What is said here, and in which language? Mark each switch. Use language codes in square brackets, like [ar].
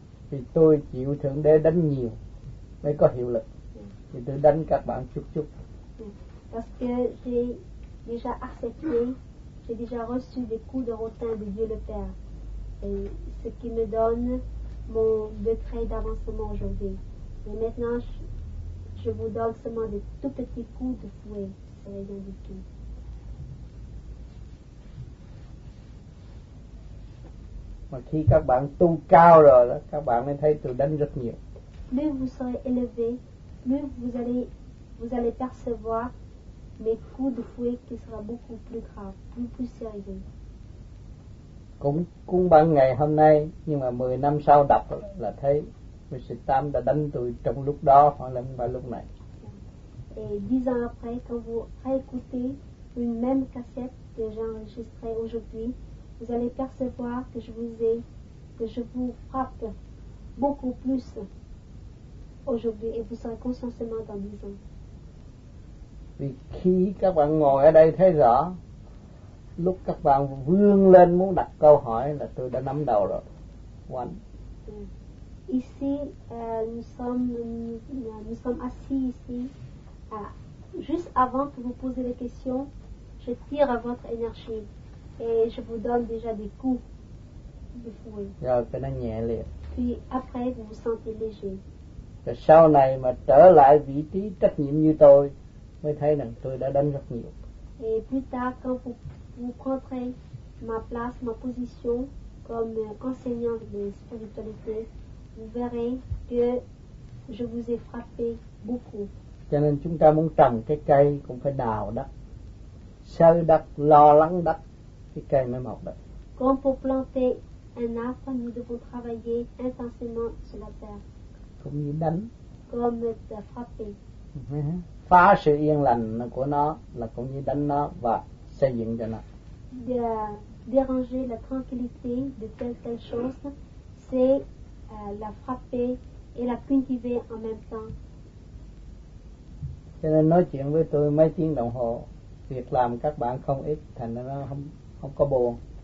[vi] Thì tôi chịu Thượng Đế đánh nhiều mới có hiệu lực. Thì tôi đánh các bạn chút chút. [fr] Parce que j'ai déjà accepté, j'ai déjà reçu des coups de rotin de Dieu le Père. Et ce qui me donne mon degré d'avancement aujourd'hui. Et maintenant, je vous donne seulement des tout petits coups de fouet. [vi] Mà khi các bạn tu cao rồi đó, các bạn mới thấy tôi đánh rất nhiều. [fr] Plus vous serez élevé, plus vous allez percevoir mes coups de fouet qui sera beaucoup plus grave, plus sérieux. [vi] Cũng bằng ngày hôm nay, nhưng mà 10 năm sau đập là thấy Mr. Tam đã đánh tôi trong lúc đó, hoặc là không phải lúc này. [fr] Et 10 ans après, quand vous réécoutez une même cassette que j'ai enregistrée aujourd'hui, vous allez percevoir que je vous frappe beaucoup plus aujourd'hui et vous serez conscient seulement dans 10 ans. [vi] Vì khi các bạn ngồi ở đây thấy rõ, lúc các bạn vươn lên muốn đặt câu hỏi là tôi đã nắm đầu rồi. One. [fr] Ici, nous sommes assis ici. Juste avant que vous posiez les questions, je tire à votre énergie et je vous donne déjà des coups de fouet. Puis après, vous vous sentez léger. [vi] Rồi sau này mà trở lại vị trí trách nhiệm như tôi, mới thấy rằng tôi đã đánh rất nhiều. [fr] Et plus tard, quand vous prendrez ma place, ma position comme enseignant de spiritualité, vous verrez que je vous ai frappé beaucoup. [vi] Cho nên chúng ta muốn trồng cái cây cũng phải đào đất, sơ đất, lo lắng đất, cái cây mới mọc được. [fr] Comme pour planter un arbre, nous devons travailler intensément sur la terre. [vi] Cũng như đánh. [fr] Comme de frapper. [vi] Phá sự yên lành của nó là cũng như đánh nó và xây dựng cho nó. [fr] De déranger la tranquillité de telle chose, c'est la frapper et la cultiver en même temps. [vi] Cho nên nói chuyện với tôi mấy tiếng đồng hồ, việc làm các bạn không ít, thành ra nó không có buồn.